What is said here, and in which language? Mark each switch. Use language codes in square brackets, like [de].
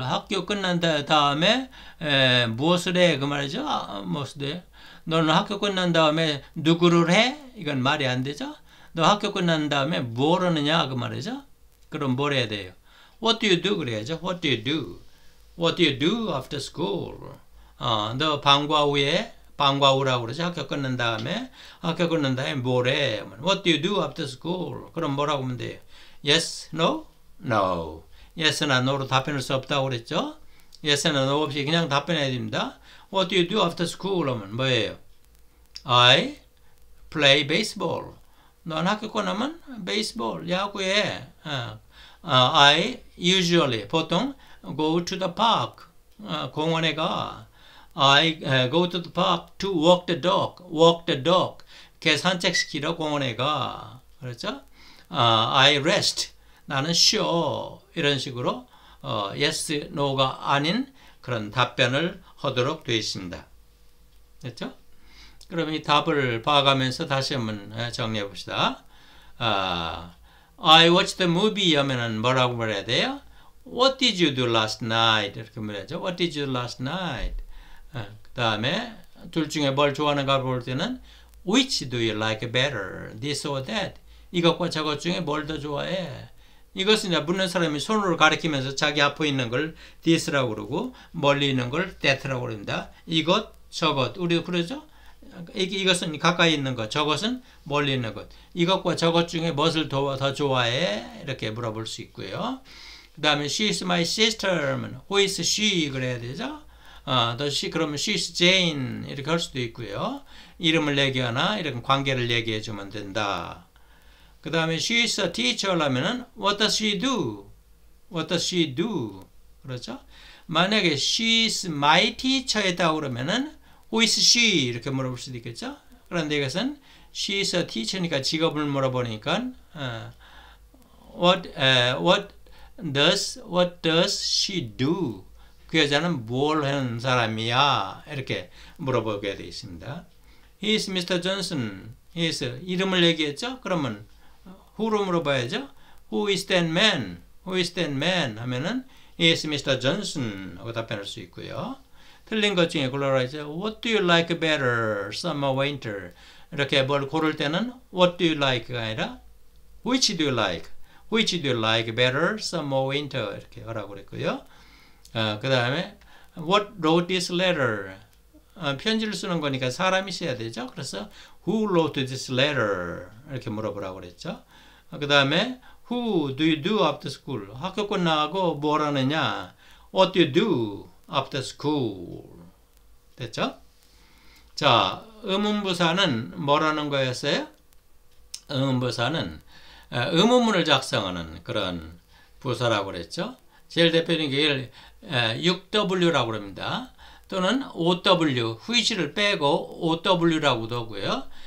[ko] 학교 끝난 다음에 무엇을 해? 그 말이죠. 무엇을 해? 너는 학교 끝난 다음에 누구를 해? 이건 말이 안 되죠? 너 학교 끝난 다음에 뭘 하느냐? 그 말이죠? 그럼 뭘 해야 돼요? [en] What do you do? 그래야죠. What do you do? What do you do after school? [ko] 너 방과 후에, 방과 후라고 그러죠? 학교 끝난 다음에 뭘 해? [en] What do you do after school? [ko] 그럼 뭐라고 하면 돼요? [en] Yes, no? No. [ko] Yes, 나 no로 답변할 수 없다고 그랬죠? Yes, 나 no 없이 그냥 답변해야 됩니다. [en] What do you do after school? [ko] 하면 뭐예요? [en] I play baseball. [ko] 넌 학교 끝나면 baseball, 야구해. [en] I usually, [ko] 보통, [en] go to the park. [ko] 공원에 가. [en] I go to the park to walk the dog. Walk the dog. [ko] 개 산책시키러 공원에 가. 그렇죠? [en] I rest. [ko] 나는 쉬어. 이런 식으로 yes, no가 아닌 그런 답변을 하도록 되어 있습니다. 됐죠? 그럼 이 답을 봐가면서 다시 한번 정리해 봅시다. [en] I watched the movie [ko] 하면은 뭐라고 말해야 돼요? [en] What did you do last night? [ko] 이렇게 말해야죠. [en] What did you do last night? [ko] 그 다음에 둘 중에 뭘 좋아하는가 볼 때는 [en] Which do you like better? This or that? [ko] 이것과 저것 중에 뭘 더 좋아해? 이것은 묻는 사람이 손으로 가리키면서 자기 앞에 있는 걸 this라고 그러고 멀리 있는 걸 that라고 그럽니다. 이것, 저것, 우리도 그러죠? 이것은 가까이 있는 것, 저것은 멀리 있는 것. 이것과 저것 중에 무엇을 더 좋아해? 이렇게 물어볼 수 있고요. 그 다음에 [en] she is my sister. Who is she? 그래야 되죠? 그러면 she is Jane. [ko] 이렇게 할 수도 있고요. 이름을 얘기하나 이런 관계를 얘기해 주면 된다. 그 다음에 [en] she is a teacher라면은 what does she do? What does she do? 그렇죠? [ko] 만약에 [en] she is my teacher이다 그러면은 who is she? [ko] 이렇게 물어볼 수도 있겠죠? [en] 그런데 이것은 she is a teacher니까 직업을 물어보니까 what does she do? [ko] 그 여자는 뭘 하는 사람이야? 이렇게 물어보게 되어 있습니다. [en] He is Mr. Johnson. [ko] He is 이름을 얘기했죠? 그러면 who로 물어봐야죠. [en] Who is that man? Who is that man? [ko] 하면은 [en] he is Mr. Johnson [ko] 하고 답변할 수 있고요. 틀린 것 중에 골라라죠. [en] What do you like better? Summer or winter? [ko] 이렇게 뭘 고를 때는 [en] what do you like가 아니라 which do you like? Which do you like better? Summer or winter? [ko] 이렇게 하라고 그랬고요. [en] 그 다음에 what wrote this letter? [ko] 편지를 쓰는 거니까 사람이 써야 되죠. [en] 그래서 who wrote this letter? [ko] 이렇게 물어보라고 그랬죠. [en] 그 다음에 who do you do after school? [ko] 학교 끝나고 뭘 하느냐? [en] What do you do after school? [ko] 됐죠? 자, 의문부사는 뭐라는 거였어요? 의문부사는 의문문을 작성하는 그런 부사라고 그랬죠. 제일 대표적인 게 6W라고 합니다. 또는 OW, which를 빼고 OW라고도 하고요.